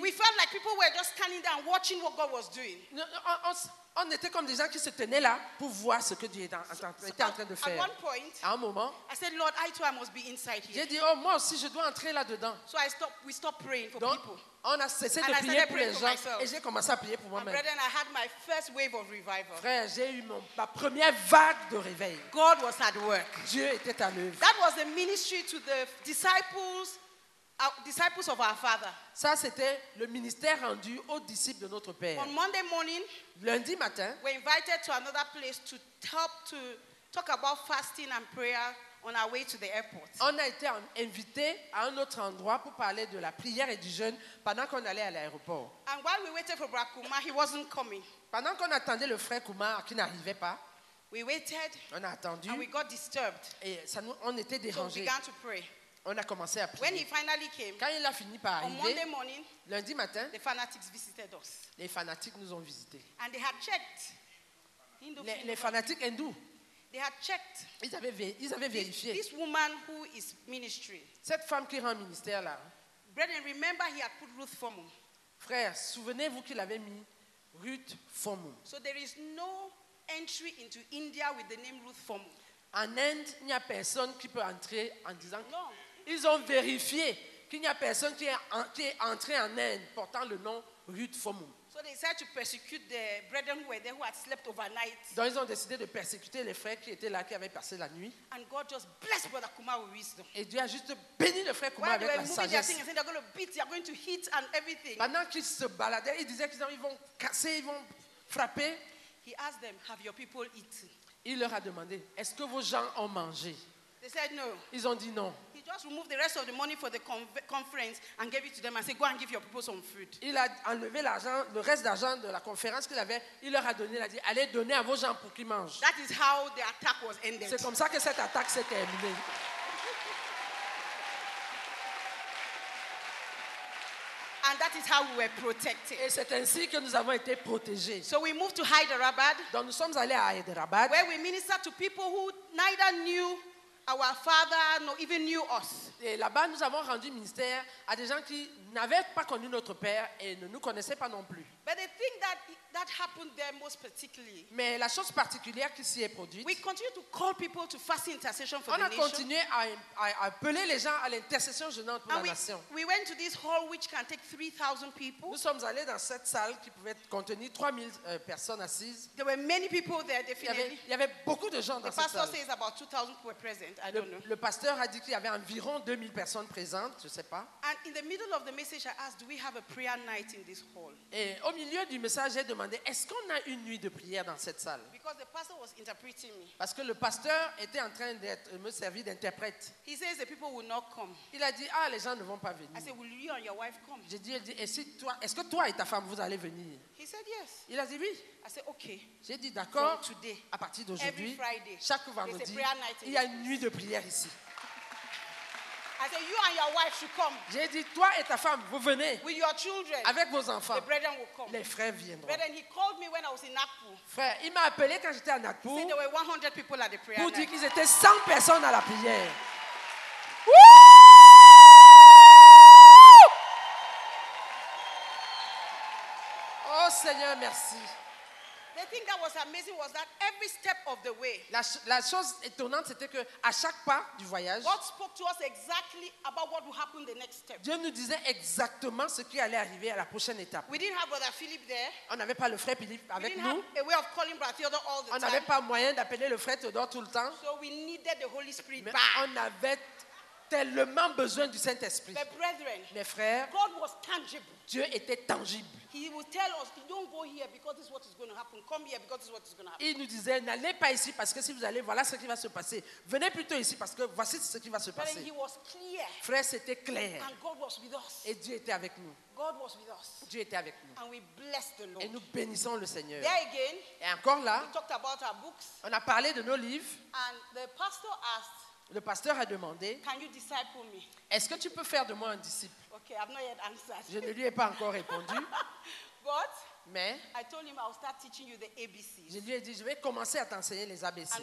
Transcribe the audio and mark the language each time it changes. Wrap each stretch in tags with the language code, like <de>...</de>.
<en>We felt like people were just standing there and watching what God was doing.</en> <fr>On était comme des gens qui se tenaient là pour voir ce que Dieu était en train de faire.</fr> <en>At one point,</en> <fr>à un moment,</fr> <en>I said, Lord, I too must be inside here.</en> <fr>J'ai dit, oh, moi aussi, je dois entrer là-dedans.</fr> <en>So we stopped praying for</en> <fr>donc,</fr> <en>people.</en> <fr>On a cessé</fr> <en>and</en> <fr>de prier pour les gens</fr> <en>myself.</en> <fr>Et j'ai commencé à prier pour moi-même.</fr> <en>And brethren, I had my first wave of revival.</en> <fr>Frère, j'ai eu ma première vague de réveil.</fr> <en>God was at work.</en> <fr>Dieu était à l'œuvre.</fr> <en>That was the ministry to the disciples of our Father.</en> <fr>Ça, c'était le ministère rendu aux disciples de notre Père.</fr> <en>On Monday morning,</en> <fr>lundi matin,</fr> <en>we were invited to another place to talk about fasting and prayer. On our way to the airport.</en> <fr>On a été invité à un autre endroit pour parler de la prière et du jeûne pendant qu'on allait à l'aéroport.</fr> <en>And while we waited for Brother Kuma, he wasn't coming.</en> <fr>Pendant qu'on attendait le frère Kuma qui n'arrivait pas.</fr> <en>We waited.</en> <fr>On a attendu.</fr> <en>And we got disturbed.</en> <fr>Et on était dérangés.</fr> <en>So we began to pray.</en> <fr>On a commencé à prier.</fr> <en>When he finally came,</en> <fr>quand il a fini par arriver,</fr> <en>on Monday morning,</en> <fr>lundi matin,</fr> <en>the fanatics visited us.</en> <fr>Les fanatiques nous ont visités.</fr> <en>And they had checked. Hindu</en> <fr>les fanatiques hindous.</fr> <en>They had checked.</en> <fr>Ils avaient vérifié.</fr> <en>This woman who is ministry.</en> <fr>Cette femme qui rend ministère là.</fr> <en>Brethren, remember he had put Ruth Fomum.</en> <fr>Frère, souvenez-vous qu'il avait mis Ruth Fomum.</fr> <en>So there is no entry into India with the name Ruth Fomum.</en> <fr>En Inde, il n'y a personne qui peut entrer en disant. Non. Ils ont vérifié qu'il n'y a personne qui est entré en Inde portant le nom Ruth Fomum.</fr> <en>So they decided to persecute the brethren who were there who had slept overnight.</en> <fr>Donc ils ont décidé de persécuter les frères qui étaient là qui avaient passé la nuit.</fr> <en>And God just blessed Brother Kuma with wisdom.</en> <fr>Et Dieu a juste béni le frère Kuma</fr> <en>while</en> <fr>avec la sagesse.</fr> <en>While they were moving their things, they're going to beat, they're going to hit, and everything.</en> <fr>Pendant qu'ils se baladaient, ils disaient qu'ils vont casser, ils vont frapper.</fr> <en>He asked them, "Have your people eaten?"</en> <fr>Il leur a demandé, est-ce que vos gens ont mangé?</fr> <en>They said no.</en> <fr>Ils ont dit non.</fr> <en>Just remove the rest of the money for the conference and gave it to them and say, go and give your people some food.</en> <fr>Il a enlevé l'argent, le reste d'argent de la conférence qu'il avait, il leur a donné, il a dit, allez donner à vos gens pour qu'ils mangent.</fr> <en>That is how the attack was ended.</en> <fr>C'est comme ça que cette attaque s'est terminée.</fr> <en>And that is how we were protected.</en> <fr>Et c'est ainsi que nous avons été protégés.</fr> <en>So we moved to Hyderabad.</en> <fr>Donc nous sommes allés à Hyderabad.</fr> <en>Where we ministered to people who neither knew our Father, nor even knew us.</en> <fr>Et là-bas, nous avons rendu ministère à des gens qui n'avaient pas connu notre Père et ne nous connaissaient pas non plus.</fr> <en>But the thing that happened there most particularly.</en> <fr>Mais la chose particulière qui s'y est produite.</fr> <en>We continue to call people to fast intercession for the nation.</en> <fr>On a continué à appeler les gens à l'intercession jeûnante pour</fr> <en>and</en> <fr>la nation.</fr> <en>We went to this hall which can take 3,000 people.</en> <fr>Nous sommes allés dans cette salle qui pouvait contenir 3,000 personnes assises.</fr> <en>There were many people there definitely.</en> <fr>Il y avait beaucoup de gens dans cette salle.</fr> <en>The pastor says about 2,000 were present. I don't know.</en> <fr>Le pasteur a dit qu'il y avait environ 2,000 2000 personnes présentes, je sais pas.</fr> <en>And in the middle of the message, I asked, do we have a prayer night in this hall?</en> <fr>Et au milieu du message, j'ai demandé, est-ce qu'on a une nuit de prière dans cette salle?</fr> <en>Because the pastor was interpreting me.</en> <fr>Parce que le pasteur était en train d'être me servir d'interprète.</fr> <en>He says the people will not come.</en> <fr>Il a dit, ah, les gens ne vont pas venir.</fr> <en>I said, will you and your wife come?</en> <fr>J'ai dit, est-ce que toi et ta femme vous allez venir?</fr> <en>He said yes.</en> <fr>Il a dit oui.</fr> <en>I said okay.</en> <fr>J'ai dit d'accord.</fr> <en>From today,</en> <fr>à partir d'aujourd'hui,</fr> <en>every Friday,</en> <fr>chaque vendredi, il y a une nuit de prière ici.</fr> <en>I said, you and your wife should come.</en> <fr>J'ai dit, toi et ta femme, vous venez.</fr> <en>With your children,</en> <fr>avec vos enfants.</fr> <en>The brethren will come.</en> <fr>Les frères viendront.</fr> <en>Brethren, he called me when I was in Nagpur.</en> <fr>Frère, il m'a appelé quand j'étais à Nagpur.</fr> <en>He said there were 100 people at the prayer.</en> <fr>Pour dire qu'ils étaient 100 personnes à la prière. Oh Seigneur, merci.</fr> <en>The thing that was amazing was that every step of the way.</en> <fr>La chose étonnante c'était que à chaque pas du voyage,</fr> <en>God spoke to us exactly about what would happen the next step.</en> <fr>Dieu nous disait exactement ce qui allait arriver à la prochaine étape.</fr> <en>We didn't have Brother Philip there.</en> <fr>On n'avait pas le frère Philippe avec nous.</fr> <en>We didn't have a way of calling Brother Theodore all the time.</en> <fr>On n'avait pas moyen d'appeler le frère Theodore tout le temps.</fr> <en>So we needed the Holy Spirit.</en> <fr>Mais on avait tellement besoin du Saint-Esprit.</fr> <en>The brethren,</en> <fr>les frères,</fr> <en>God was tangible.</en> <fr>Dieu était tangible.</fr> <en>He would tell us, don't go here because this is what is going to happen. Come here because this is what is going to happen.</en> <fr>Il nous disait, n'allez pas ici parce que si vous allez, voilà ce qui va se passer. Venez plutôt ici parce que voici ce qui va se passer.</fr> <en>He was clear.</en> <fr>Frère, c'était clair.</fr> <en>And God was with us.</en> <fr>Et Dieu était avec nous.</fr> <en>God was with us.</en> <fr>Dieu était avec nous.</fr> <en>And we blessed the Lord.</en> <fr>Et nous bénissons le Seigneur.</fr> <en>There again.</en> <fr>Et encore là.</fr> <en>We talked about our books.</en> <fr>On a parlé de nos livres.</fr> <en>And the pastor asked.</en> <fr>Le pasteur a demandé,</fr> <en>can you disciple me?</en> <fr>Est-ce que tu peux faire de moi un disciple?</fr> <en>Okay, I've not yet answered.</en> <fr>Je ne lui ai pas encore répondu.</fr> <en>But,</en> <fr>mais</fr> <en>I told him I'll start teaching you the ABCs.</en> <fr>Je lui ai dit, je vais commencer à t'enseigner les ABC.</fr>